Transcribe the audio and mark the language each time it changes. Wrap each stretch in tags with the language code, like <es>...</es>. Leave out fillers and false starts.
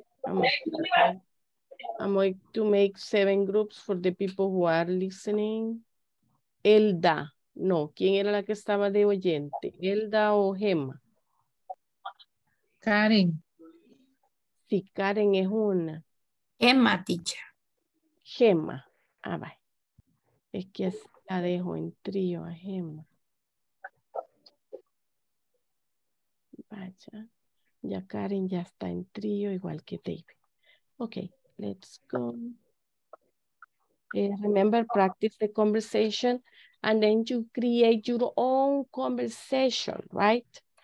<en>I'm going to make 7 groups for the people who are listening.</en> <es>Elda, no, ¿quién era la que estaba de oyente? Elda o Gemma? Karen. Sí, Karen es una.</es> <en>Gemma, teacher.</en> <es>Gemma, ah, va. Es que así la dejo en trío a Gemma. Vaya, ya Karen ya está en trío igual que David.</es> <en>Ok, let's go. Remember, practice the conversation and then you create your own conversation, right?</en>